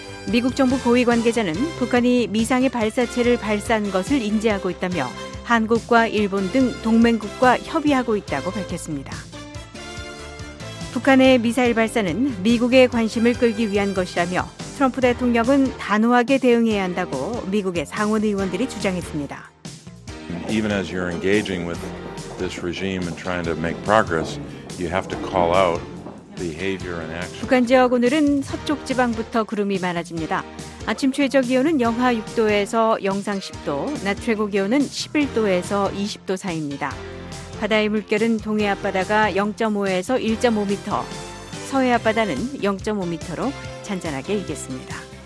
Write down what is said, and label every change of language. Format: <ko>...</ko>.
<ko>미국 정부 고위 관계자는 북한이 미상의 발사체를 발사한 것을 인지하고 있다며 한국과 일본 등 동맹국과 협의하고 있다고 밝혔습니다. 북한의 미사일 발사는 미국의 관심을 끌기 위한 것이라며 트럼프 대통령은 단호하게 대응해야 한다고 미국의 상원 의원들이 주장했습니다.</ko> <en>Even as you're engaging with this regime and trying to make progress, you have to call out behavior and action.</en> <ko>북한 지역 오늘은 서쪽 지방부터 구름이 많아집니다. 아침 최저 기온은 영하 6도에서 영상 10도, 낮 최고 기온은 11도에서 20도 사이입니다. 바다의 물결은 동해 앞바다가 0.5에서 1.5m, 서해 앞바다는 0.5m로 잔잔하게 일겠습니다.</ko>